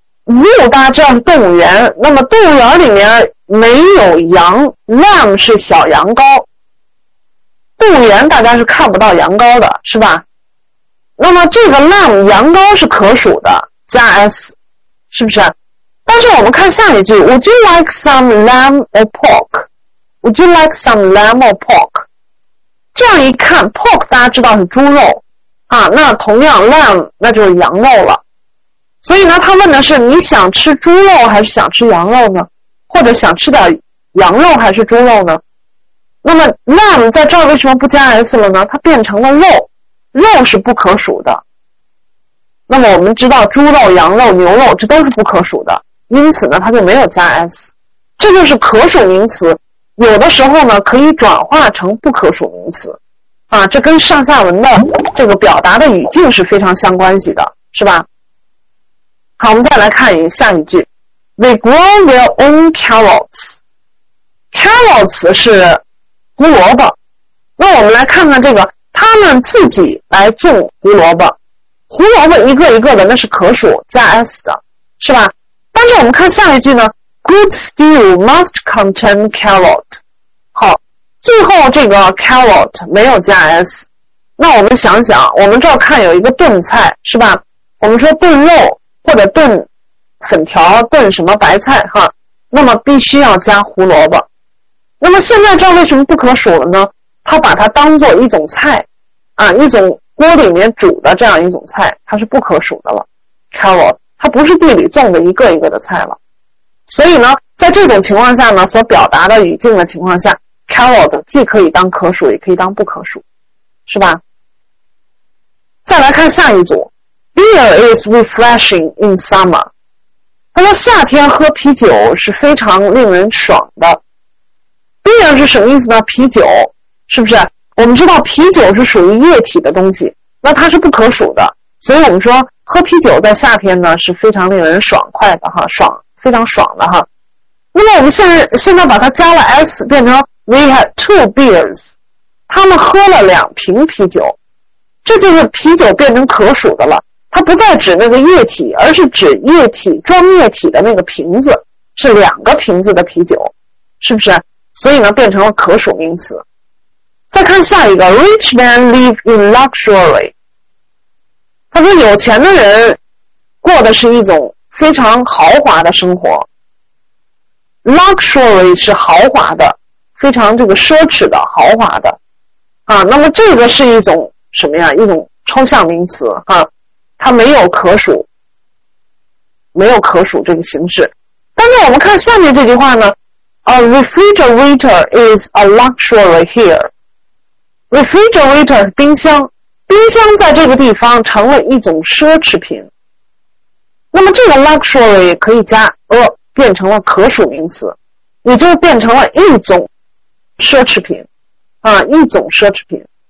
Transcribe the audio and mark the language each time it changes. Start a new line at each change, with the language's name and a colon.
Chinese: zoo 大家知道是动物园，那么动物园里面没有羊， lamb 是小羊羔，动物园大家是看不到羊羔的，是吧？那么这个 lamb 羊羔是可数的，加 s， 是不是？但是我们看下一句，
English: Would you like some lamb or pork？ Would you like some lamb or pork？
Chinese: 这样一看 pork 大家知道是猪肉啊，那同样 lamb 那就是羊肉了，所以呢他问的是你想吃猪肉还是想吃羊肉呢，或者想吃点羊肉还是猪肉呢？那么 lamb 在这儿为什么不加 s 了呢？它变成了肉，肉是不可数的。那么我们知道猪肉羊肉牛肉这都是不可数的，因此呢它就没有加 s， 这就是可数名词有的时候呢可以转化成不可数名词啊，这跟上下文的这个表达的语境是非常相关系的，是吧？好，我们再来看一下一句。
English: They grow their own carrots.
Chinese: Carrots 是胡萝卜。那我们来看看这个，他们自己来种胡萝卜。胡萝卜一个一个的，那是可数加 s 的，是吧？但是我们看下一句呢，
English: good stew must contain carrot.
Chinese: 好，最后这个 carrot 没有加 s。那我们想想，我们这儿看有一个炖菜，是吧？我们说炖肉或者炖粉条，炖什么白菜哈，那么必须要加胡萝卜。那么现在这为什么不可数了呢？它把它当做一种菜啊，一种锅里面煮的这样一种菜，它是不可数的了。 carrot 它不是地里种的一个一个的菜了。所以呢在这种情况下呢，所表达的语境的情况下， carrot 既可以当可数也可以当不可数，是吧？再来看下一组。
English: Beer is refreshing in summer.
Chinese: 他说夏天喝啤酒是非常令人爽的。Beer 是什么意思呢？啤酒，是不是？我们知道啤酒是属于液体的东西，那它是不可数的，所以我们说喝啤酒在夏天呢是非常令人爽快的哈，爽，非常爽的哈。那么我们现在把它加了 s， 变成
English: we had two beers，
Chinese: 他们喝了两瓶啤酒，这就是啤酒变成可数的了。它不再指那个液体，而是指液体装液体的那个瓶子，是两个瓶子的啤酒，是不是？所以呢变成了可数名词。再看下一个，
English: Rich men live in luxury.
Chinese: 他说有钱的人过的是一种非常豪华的生活。 Luxury 是豪华的，非常这个奢侈的，豪华的啊，那么这个是一种什么呀？一种抽象名词啊，它没有可数，没有可数这个形式。但是我们看下面这句话呢，
English: A refrigerator is a luxury here.
Chinese: Refrigerator 是冰箱，冰箱在这个地方成了一种奢侈品。那么这个 luxury 可以加 a 变成了可数名词，也就变成了一种奢侈品啊，一种奢侈品。